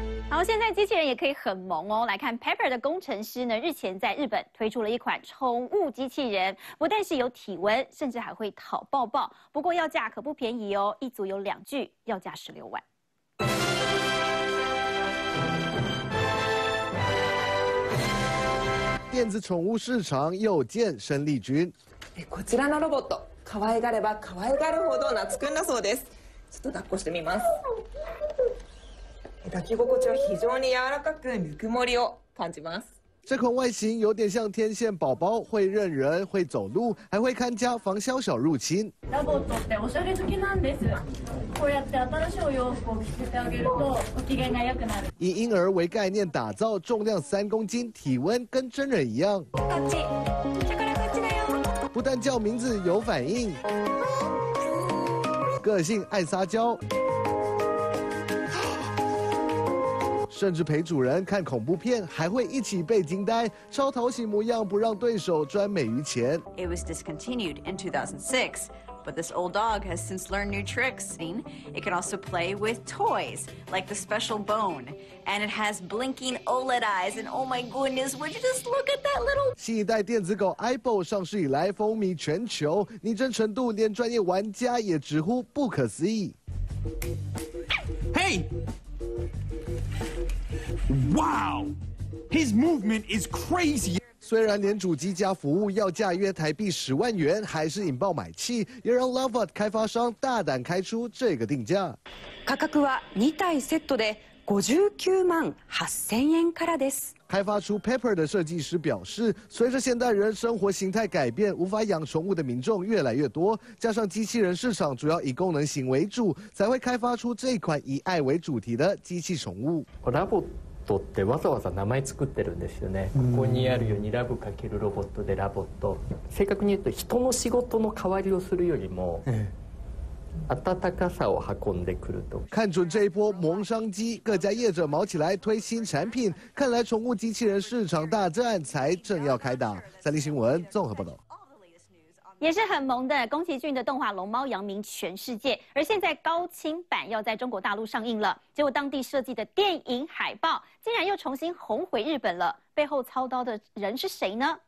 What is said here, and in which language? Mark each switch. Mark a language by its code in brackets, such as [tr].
[zh] 然后现在机器人也可以很萌哦，来看 Pepper 的工程师呢，日前在日本推出了一款宠物机器人，不但是有体温，甚至还会讨抱抱。不过要价可不便宜哦，一组有2具，要价16万。电子宠物市场又见生力军。 [ja] こちらのロボット、可愛がれば可愛がるほど懐くんだそうです。ちょっと抱っこしてみます。抱き心地は非常に柔らかくぬくもりを感じます。 [zh] 这款外形有点像天线宝宝，会认人，会走路，还会看家，防小小入侵。 [ja] ロボットっておしゃれ好きなんです。こうやって新しいお洋服を着せてあげるとお機嫌が良くなる。 [zh] 以婴儿为概念打造，重量3公斤，体温跟真人一样。 [ja] こっち、下からこっちだよ。 [zh] 不但叫名字有反应，个性爱撒娇。甚至陪主人看恐怖片，还会一起被惊呆，超讨喜模样，不让对手赚美于钱。 [en] It was discontinued in 2006, but this old dog has since learned new tricks. It can also play with toys, like the special bone, and it has blinking OLED eyes. And oh my goodness, would you just look at that little? [zh] 新一代电子狗 iBo 上市以来风靡全球，拟真程度连专业玩家也直呼不可思议。 [en] Hey. Wow, his movement is crazy. [zh] 虽然连主机加服务要价约台币10万元，还是引爆买气，也让 Lovebot 开发商大胆开出这个定价。 [ja] 価格は2台セットで598,000円からです。 [zh] 开发出 Pepper 的设计师表示，随着现代人生活形态改变，无法养宠物的民众越来越多，加上机器人市场主要以功能型为主，才会开发出这款以爱为主题的机器宠物。 [ja] Lovebotってわざわざ名前作ってるんですよね。ここにあるようにラブかけるロボットでラボット、正確に言うと人の仕事の代わりをするよりも温かさを運んでくると。 [zh] 看准这一波萌商机，各家业者毛起来推新产品，看来宠物机器人市场大战才正要开打。三立新闻综合报道。也是很萌的，宫崎骏的动画《龙猫》扬名全世界，而现在高清版要在中国大陆上映了。结果当地设计的电影海报竟然又重新红回日本了，背后操刀的人是谁呢？